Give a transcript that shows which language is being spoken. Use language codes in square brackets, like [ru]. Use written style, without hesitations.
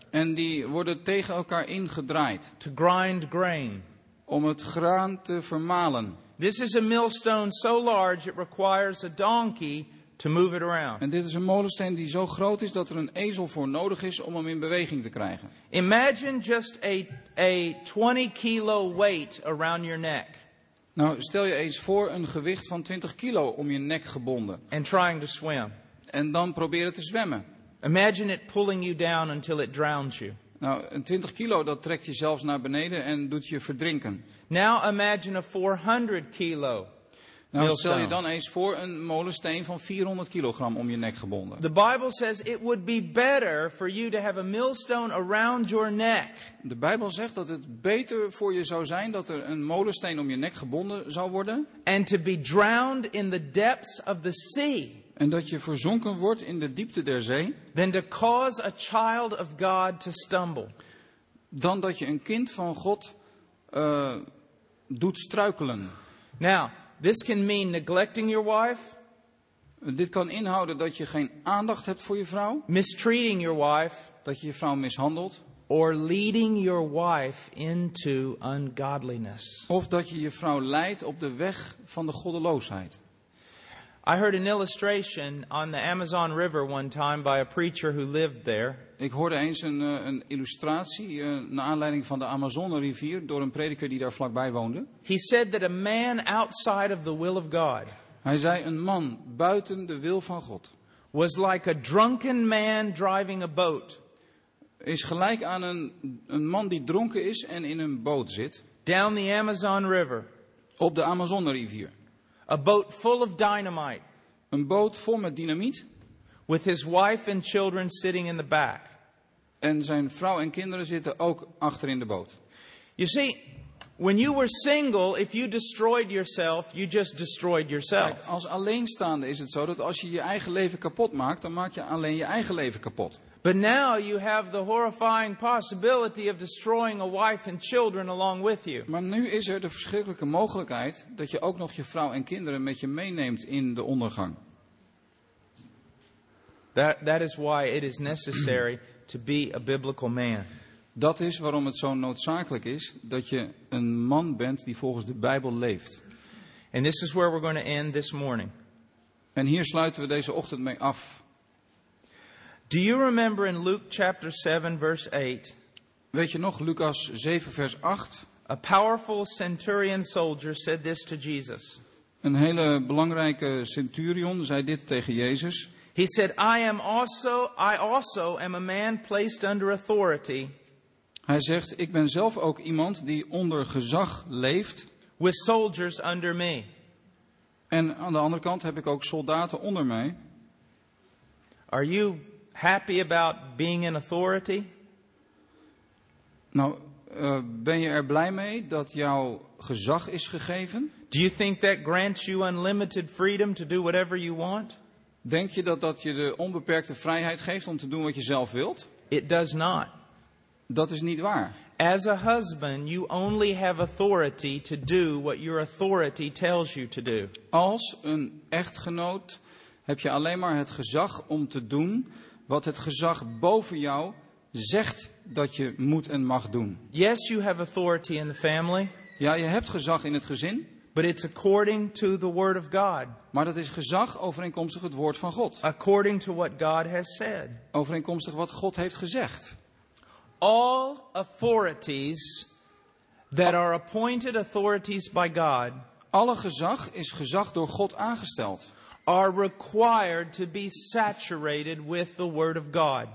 [nl] En die worden tegen elkaar ingedraaid. [en] To grind grain. [nl] om het graan te vermalen. [en] This is a millstone so large it requires a donkey to move it around. [nl] En dit is een molensteen die zo groot is dat er een ezel voor nodig is om hem in beweging te krijgen. [en] Imagine just a 20 kilo weight around your neck. [nl] Nou, stel je eens voor een gewicht van 20 kilo om je nek gebonden. [en] And trying to swim. [nl] En dan proberen te zwemmen. [en] Imagine it pulling you down until it drowns you. [nl] Nou, een 20 kilo dat trekt je zelfs naar beneden en doet je verdrinken. [en] Now imagine a 400 kilo. [nl] Nou, stel je dan eens voor een molensteen van 400 kilogram om je nek gebonden. [en] The Bible says it would be better for you to have a millstone around your neck. [nl] De Bijbel zegt dat het beter voor je zou zijn dat er een molensteen om je nek gebonden zou worden. [en] And to be drowned in the depths of the sea. [nl] En dat je verzonken wordt in de diepte der zee. [en] Than to cause a child of God to stumble. [nl] Dan dat je een kind van God doet struikelen. [en] Now, this can mean neglecting your wife. [nl] Dit kan inhouden dat je geen aandacht hebt voor je vrouw. [en] Mistreating your wife. [nl] Dat je je vrouw mishandelt. [en] Or leading your wife into ungodliness. [nl] Of dat je je vrouw leidt op de weg van de goddeloosheid. [en] I heard an illustration on the Amazon River one time by a preacher who lived there. [nl] Ik hoorde eens een illustratie naar aanleiding van de Amazone rivier door een prediker die daar vlakbij woonde. [en] He said that a man outside of the will of God. [nl] Hij zei een man buiten de wil van God. [en] Was like a drunken man driving a boat. [nl] Is gelijk aan een man die dronken is en in een boot zit. [en] Down the Amazon River. [nl] Op de Amazone rivier. [en] A boat full of dynamite. [nl] Een boot vol met dynamiet. [en] With his wife and children sitting in the back. [nl] En zijn vrouw en kinderen zitten ook achter in de boot. [en] You see, when you were single, if you destroyed yourself, you just destroyed yourself. [nl] Kijk, als alleenstaande is het zo dat als je je eigen leven kapot maakt, dan maak je alleen je eigen leven kapot. [en] But now you have the horrifying possibility of destroying a wife and children along with you. [nl] Maar nu is er de verschrikkelijke mogelijkheid dat je ook nog je vrouw en kinderen met je meeneemt in de ondergang. [en] That is why it is necessary to be a biblical man. [nl] Dat is waarom het zo noodzakelijk is dat je een man bent die volgens de Bijbel leeft. [en] And this is where we're going to end this morning. [nl] En hier sluiten we deze ochtend mee af. [en] Do you remember in Luke chapter 7 verse 8? [nl] Weet je nog Lucas 7 vers 8? [en] A powerful centurion soldier said this to Jesus. [nl] Een hele belangrijke centurion zei dit tegen Jezus. [en] He said, I also am a man placed under authority. [nl] Hij zegt, ik ben zelf ook iemand die onder gezag leeft. [en] With soldiers under me. [nl] En aan de andere kant heb ik ook soldaten onder mij. [en] Are you happy about being in authority? [nl] Nou, ben je er blij mee dat jouw gezag is gegeven? [en] Do you think that grants you unlimited freedom to do whatever you want? [nl] Denk je dat je de onbeperkte vrijheid geeft om te doen wat je zelf wilt? [en] It does not. [nl] Dat is niet waar. [en] As a husband, you only have authority to do what your authority tells you to do. [nl] Als een echtgenoot heb je alleen maar het gezag om te doen wat het gezag boven jou zegt dat je moet en mag doen. [en] Yes, you have authority in the family. [nl] Ja, je hebt gezag in het gezin. [en] But it's according to the word of God. [nl] Maar dat is gezag overeenkomstig het woord van God. [en] According to what God has said. [nl] Overeenkomstig wat God heeft gezegd. [en] All authorities that are appointed authorities by God. [nl] Alle gezag is gezag door God aangesteld. [en] Are required to be saturated with the word of God.